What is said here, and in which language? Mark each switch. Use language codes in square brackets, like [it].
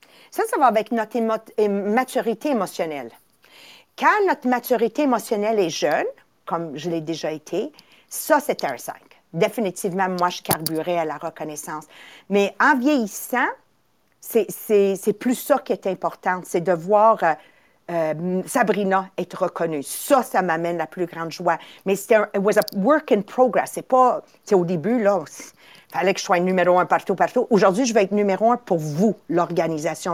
[fr] Ça va avec notre maturité émotionnelle. Quand notre maturité émotionnelle est jeune, comme je l'ai déjà été, ça, c'est un 5. Définitivement, moi, je carburais à la reconnaissance. Mais en vieillissant, c'est plus ça qui est important. C'est de voir Sabrina être reconnue. Ça, ça m'amène la plus grande joie. [en] Mais it was a work in progress. [fr] C'est pas, c'est au début, là, il fallait que je sois numéro un partout, partout. Aujourd'hui, je vais être numéro un pour vous, l'organisation.